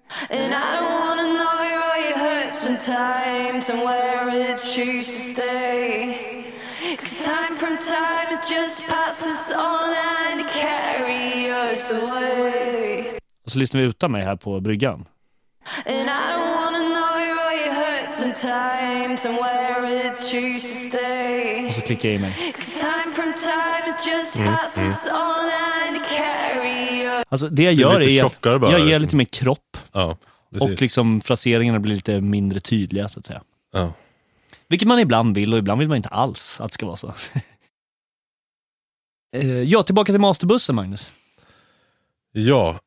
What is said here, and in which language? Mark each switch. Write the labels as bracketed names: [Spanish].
[English] And I don't wanna know where you hurt sometimes and where it choose to stay. Cause time from time it just passes on and carry us away. [Swedish] Och så lyssnar vi utan mig här på bryggan. [English] And I don't wanna know where you hurt sometimes and where it choose to stay. [Swedish] Och så klickar jag i mig. [English] Cause time from time it just passes on and carry us. [Swedish] Alltså det jag gör är att jag ger lite mer kropp. Ja, och liksom fraseringarna blir lite mindre tydliga så att säga. Ja. Vilket man ibland vill, och ibland vill man inte alls att det ska vara så. Ja, tillbaka till masterbussen, Magnus. Ja.